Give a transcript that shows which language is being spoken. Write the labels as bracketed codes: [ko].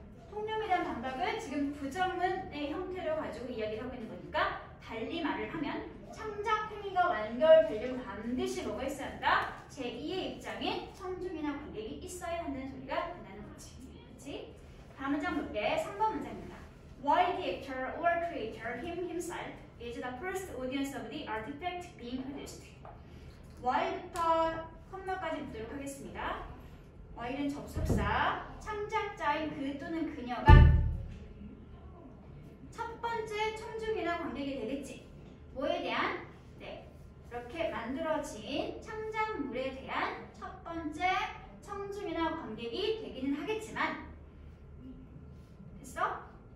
[ko] 통념에 대한 반박은 지금 부정문의 형태로 가지고 이야기를 하고 있는 거니까 달리 말을 하면 창작 행위가 완결되려면 반드시 뭐가 있어야 한다? 제2의 입장에 청중이나 관객이 있어야 한다는 소리가 된다는 거지 그렇지? 다음 문장 볼게 3번 문장입니다 [en] Why the actor or creator him himself is the first audience of the artifact being produced? [ko] Why부터 콤마까지 묻도록 하겠습니다 Why는 접속사 창작자인 그 또는 그녀가 첫 번째 청중이나 관객이 되겠지 뭐에 대한? 네 이렇게 만들어진 창작물에 대한 첫 번째 청중이나 관객이 되기는 하겠지만 됐어?